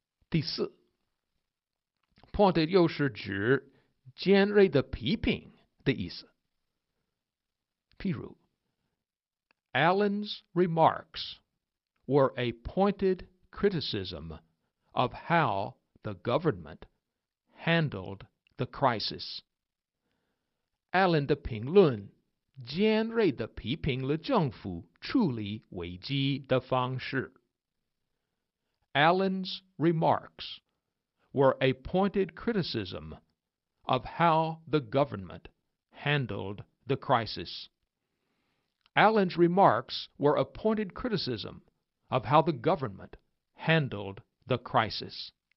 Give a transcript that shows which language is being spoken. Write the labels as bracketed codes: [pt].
[zh] 第四 ,pointed 又是指尖锐的批评的意思。譬如 [en] ,Alan's remarks were a pointed criticism of how the government handled the crisis. [zh] Alan 的评论尖锐地批评了政府处理危机的方式。 [en] Alan's remarks were a pointed criticism of how the government handled the crisis. Alan's remarks were a pointed criticism of how the government handled the crisis.